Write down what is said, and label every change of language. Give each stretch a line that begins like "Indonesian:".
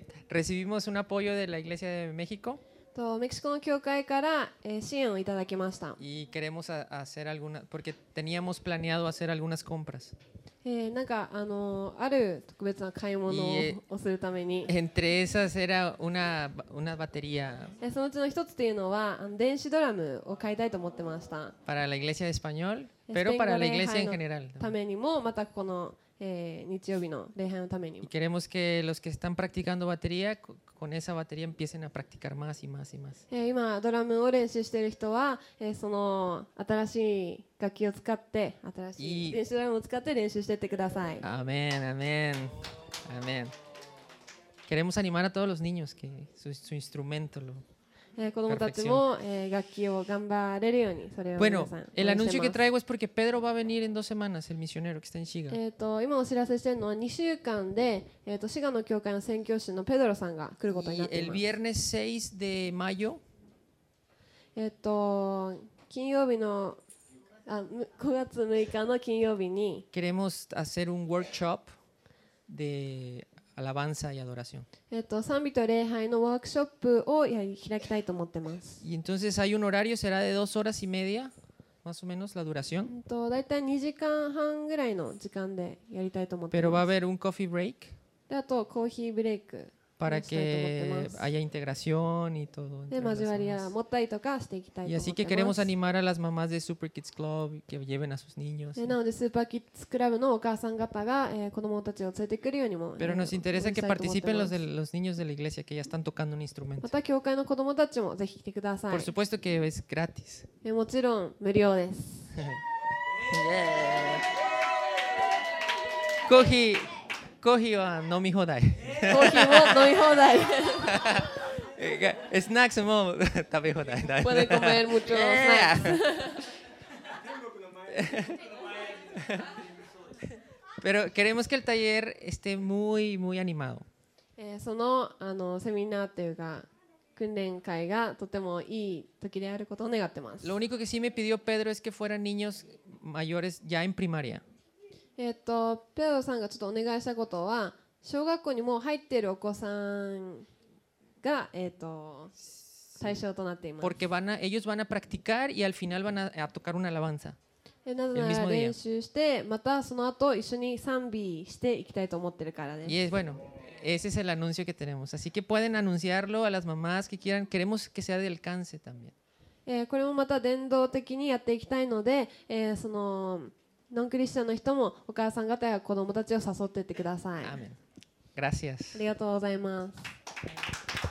Spanish: recibimos un apoyo de la Iglesia de México.
Japanese: とメキシコの教会から、支援をいただきました。
Spanish: Y queremos hacer algunas, porque teníamos planeado hacer algunas compras.
Japanese: なんかある特別な買い物をするために。
Spanish: Entre esas era una batería.
Japanese: そのうちの一つというのは電子ドラムを買いたいと思ってました。
Spanish: Para la Iglesia de Español. Pero para la iglesia en general.
Japanese: ためにも、またこの、日曜日の礼拝のためにも。
Spanish: Y queremos que los que están practicando batería, con esa batería empiecen a practicar más y más y más.
Japanese: 今ドラムを練習している人は、その新しい楽器を使って、新しい電子ドラムを使って練習していってください。
Spanish: Amén, amén, amén. Queremos animar a todos los niños que su instrumento lo...
Japanese: 子供たちも、楽器を頑張れるようにそれを皆さん応援してます。
Spanish: Bueno, el anuncio que traigo es porque Pedro va a venir en dos semanas, el misionero que está en Shiga.
Japanese: 今お知らせしてるのは2週間で、シガの教会の宣教師のペドロさんが来ることになっています。
Spanish: El viernes 6 de mayo.
Japanese: 金曜日の5月6日の金曜日に
Spanish: Queremos hacer un workshop deAlabanza y adoración.
Japanese: 賛美と礼拝のワークショップを開きたいと思ってます。
Spanish: Y entonces hay un horario, será de dos horas y media, más o menos la duración.
Japanese: 大体2時間半ぐらいの時間でやりたいと思ってます。
Spanish: Pero va a haber un coffee break.
Japanese: あとコーヒーブレイク。
Spanish: Para que haya integración y todo.
Japanese: で交わりや持ったりとかしていきたいと思ってます。
Spanish: Y así que queremos animar a las mamás de Super Kids Club que lleven a sus niños.
Japanese: なのでスーパーキッズクラブのお母さん方が、子供たちを連れてくるようにも。
Spanish: Pero nos interesa que participen los niños de la iglesia que ya están tocando un instrumento.
Japanese: また教会の子供たちもぜひ来てください。
Spanish: Por supuesto que es gratis.
Japanese: もちろん無料です。コーヒー。コーヒーは飲み放題。コーヒーも飲み放題。スナックスも食べ放題。食べ放題。食べ放題。
Spanish: Pero queremos que el taller esté muy, muy animado.
Japanese: そのセミナーというか訓練会がとてもいい時であることを願ってます。
Spanish: Lo único que sí me pidió Pedro es que fueran niños mayores ya en primaria.
Japanese: ペドロさんがちょっとお願いしたことは、小学校にもう入っているお子さんが対象となっています。
Spanish: Porque van a, ellos van a practicar y al final van a tocar una alabanza.
Japanese: なぜなら練習して、またその後一緒に賛美していきたいと思ってるからです。
Spanish: Y es bueno. Ese es el anuncio que tenemos. Así que pueden anunciarlo a las mamás que quieran. Queremos que sea de alcance también.
Japanese: これもまた伝道的にやっていきたいので、そのノンクリスチャンの人もお母さん方や子供たちを誘っていってください。アーメン。Gracias. ありがとうございます。